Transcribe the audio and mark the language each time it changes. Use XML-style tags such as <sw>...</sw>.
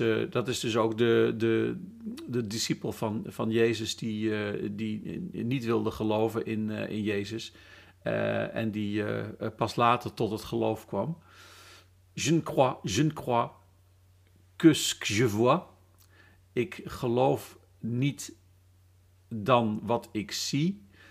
<nl>Dat is dus ook de discipel van Jezus die niet wilde geloven in Jezus en die pas later tot het geloof kwam.</nl> <fr>Je ne crois que ce que je vois.</fr> <nl>Ik geloof niet dan wat ik zie.</nl>